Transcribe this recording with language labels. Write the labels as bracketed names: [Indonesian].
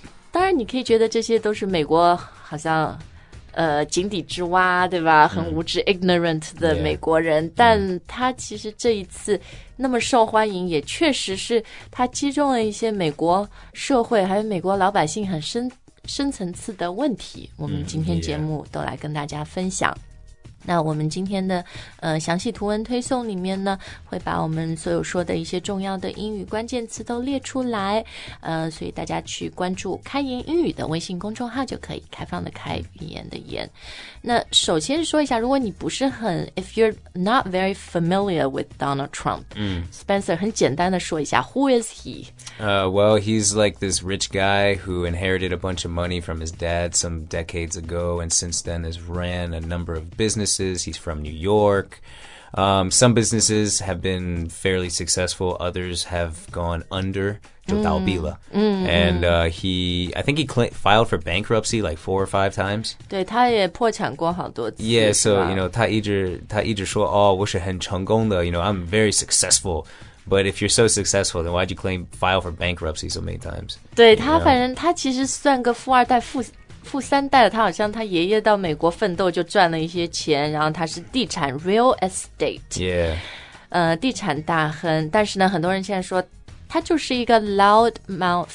[Chinese] 当然你可以觉得这些都是美国好像井底之蛙对吧，很无知ignorant 的美国人，但他其实这一次那么受欢迎也确实是他击中了一些美国社会还有美国老百姓很深层次的问题，我们今天节目都来跟大家分享。那我们今天的详细图文推送里面呢会把我们所有说的一些重要的英语关键词都列出来，所以大家去关注开言英语的微信公众号就可以，开放的开语言的言。那首先说一下，如果你不是很 [English] if you're not very familiar with Donald Trump， [Chinese] Spencer 很简单的说一下 [English] who is he？ Well he's like this rich guy who inherited a bunch of money from his dad some decades ago and since then has ran a number of businesses. He's from New York. Some businesses have been fairly successful. Others have gone under, [Chinese] 就倒闭了。 [English] And he filed for bankruptcy like 4 or 5 times. [Chinese] 对，他也破产过好多次。 [English] Yeah, so, you know, [Chinese] 他一直说，哦，我是很成功的。 [English] You know, I'm very successful. But if you're so successful, then why'd you claim file for bankruptcy so many times? [Chinese] 对，他反正他其实算个富二代、富三代，他好像他爷爷到美国奋斗就赚了一些钱，然后他是地产 real estate. [English] Yeah. [Chinese] 地产大亨，但是呢，很多人现在说他就是一个 loud mouth.